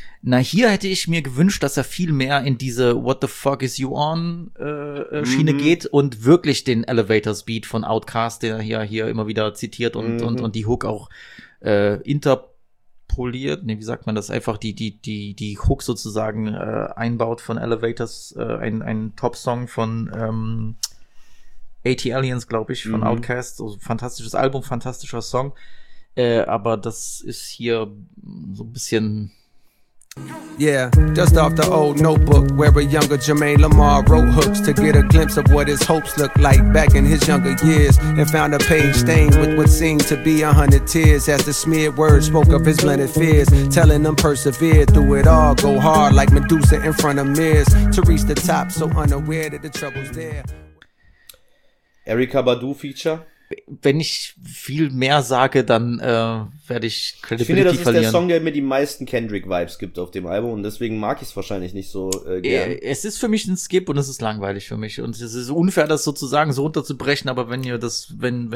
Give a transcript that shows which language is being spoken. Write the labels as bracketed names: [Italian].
[German] Na, hier hätte ich mir gewünscht, dass er viel mehr in diese What the fuck is you on Schiene geht und wirklich den Elevators Beat von Outkast, den er hier immer wieder zitiert und die Hook auch interpoliert, wie sagt man das, einfach die Hook sozusagen einbaut von Elevators, ein Top-Song von AT Aliens, glaube ich, von Outkast, also fantastisches Album, fantastischer Song. Aber das ist hier so ein bisschen. [English] Yeah, dust off the old notebook where a younger Jermaine Lamar wrote hooks to get a glimpse of what his hopes looked like back in his younger years, and found a page stained with what seemed to be 100 tears as the smeared words spoke of his blended fears, telling them persevere through it all, go hard like Medusa in front of mirrors to reach the top, so unaware that the trouble's there. [German] Erykah Badu feature. Wenn ich viel mehr sage, dann werde ich Credibility verlieren. Ich finde, das ist der Song, der mir die meisten Kendrick-Vibes gibt auf dem Album und deswegen mag ich es wahrscheinlich nicht so gern. Es ist für mich ein Skip und es ist langweilig für mich und es ist unfair, das sozusagen so runterzubrechen, aber wenn ihr das, wenn